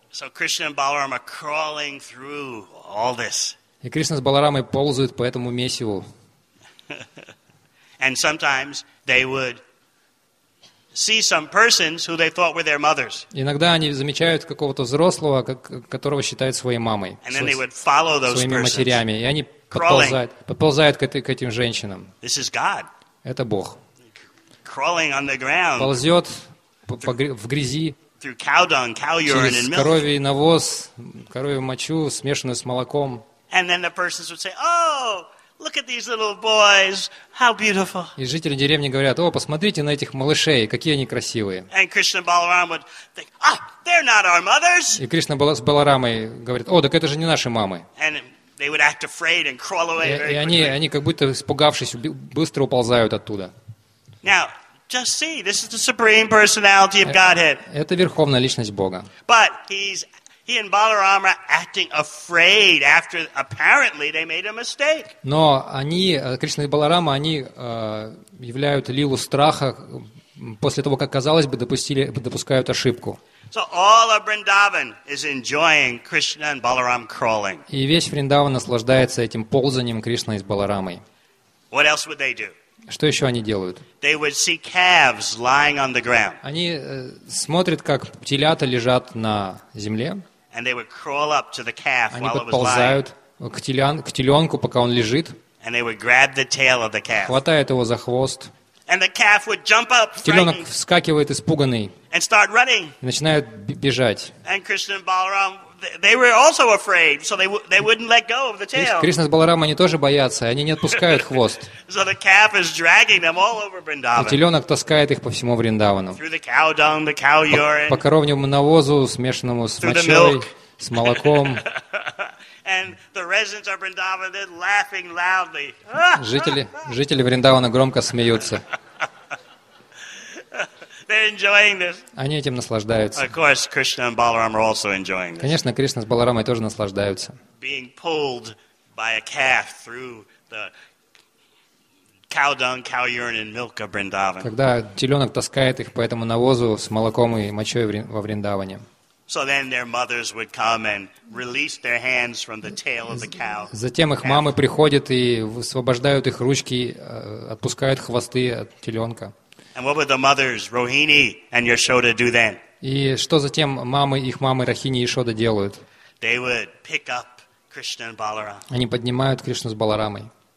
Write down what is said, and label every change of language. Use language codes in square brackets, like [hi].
[en] So Krishna and Balaram are crawling through all this. [ru] И Кришна с Баларамой ползают по этому месиву. [en] And sometimes they would see some persons who they thought were their mothers. [ru] Иногда они замечают какого-то взрослого, которого считают своей мамой. [en] And then they would follow those [ru] своими [en] persons, [ru] матерями, и они подползают к этим женщинам. [en] This is God. [ru] Это Бог. [en] Crawling on the ground. [ru] Ползет в грязи. [en] Through cow dung, cow urine and milk. [ru] Коровий навоз, коровью мочу, смешанную с молоком. [en] And then the persons would say, "Oh, look at these little boys. How beautiful!" [ru] И жители деревни говорят: "О, посмотрите на этих малышей, какие они красивые!" [en] And Krishna Balaram would think, "Ah, they're not our mothers!" [ru] И Кришна с Баларамой говорит: "О, так это же не наши мамы!" [en] And they would act afraid and crawl away. [ru] И они как будто испугавшись, быстро уползают оттуда. [en] Now, just see, this is the supreme personality of Godhead. [ru] Это верховная личность Бога. [en] But He and Balaram are acting afraid after apparently they made a mistake. [ru] Но они, Кришна и Баларама, они являют лилу страха после того, как казалось бы, допускают ошибку. [en] So all of Vrindavan is enjoying Krishna and Balaram crawling. [ru] И весь Вриндаван наслаждается этим ползанием Кришны с Баларамой. [en] What else would they do? [ru] Что еще они делают? [en] They would see calves lying on the ground. [ru] Они смотрят, как телята лежат на земле. [en] And they would crawl up to the calf while it was lying. [ru] Они подползают к теленку, пока он лежит. [en] And they would grab the tail of the calf. [ru] Хватают его за хвост. [en] And the calf would jump up, [ru] теленок вскакивает испуганный. [en] And start running. [ru] И начинает бежать. [en] And Krishna and Balaram, they were also afraid, so they wouldn't let go of the tail. [ru] Кришна с Баларамой они тоже боятся, они не отпускают хвост. [en] So the calf is dragging them all over Vrindavan. [ru] И теленок таскает их по всему Вриндавану. [en] Through the cow dung, the cow urine. [ru] По коровьему навозу, смешанному с мочой, с молоком. [en] And the residents of Vrindavan are laughing loudly. [ru] Жители Вриндавана громко смеются. [en] They're enjoying this. [ru] Они этим наслаждаются. [en] Of course, Krishna and Balaram are also enjoying this. [ru] Конечно, Кришна с Баларамой тоже наслаждаются. [en] Being pulled by a calf through the cow dung, cow urine, and milk of Vrindavan. [ru] Когда теленок таскает их по этому навозу с молоком и мочой во Вриндаване. [en] So then their mothers would come and release their hands from the tail of the cow. [ru] Затем их мамы приходят и освобождают их ручки, отпускают хвосты от теленка. [en] And what would the mothers, Rohini and Yashoda, do then? [ru] И что затем мамы, их мамы Рохини и Яшода делают? [en] They would pick up Krishna and Balaram. [ru] Они поднимают Кришну с Баларамой.